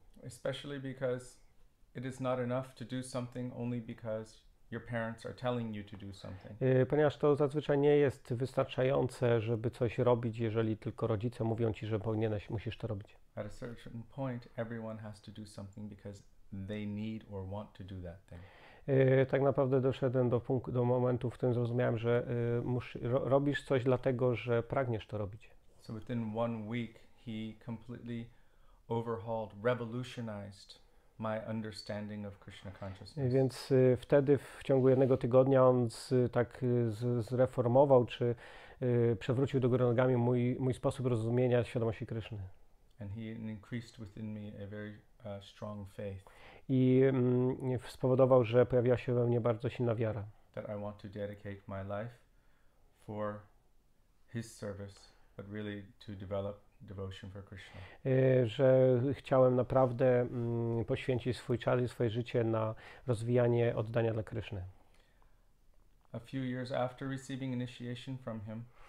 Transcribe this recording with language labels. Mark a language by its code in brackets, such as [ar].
[en] Especially because it is not enough to do something only because your parents are telling you to do something. [pl] Ponieważ to zazwyczaj nie jest wystarczające, żeby coś robić, jeżeli tylko rodzice mówią ci, że powinieneś, musisz to robić. [en] At a certain point, everyone has to do something because they need or want to do that thing. [pl] Tak naprawdę doszedłem do momentu, w którym zrozumiałem, że robisz coś dlatego, że pragniesz to robić. [en] So within 1 week, he completely overhauled, revolutionized my understanding of Krishna consciousness. [pl] Więc wtedy w ciągu jednego tygodnia on zreformował czy przewrócił do góry nogami mój sposób rozumienia świadomości Kryszny. [en] And he increased within me a very strong faith. [pl] I spowodował, że pojawiła się we mnie bardzo silna wiara. [en] That I want to dedicate my life for his service, but really to develop devotion for Krishna. [pl] Że chciałem naprawdę poświęcić swój czas i swoje życie na rozwijanie oddania dla Kryszny. [en] A few years after receiving initiation from him,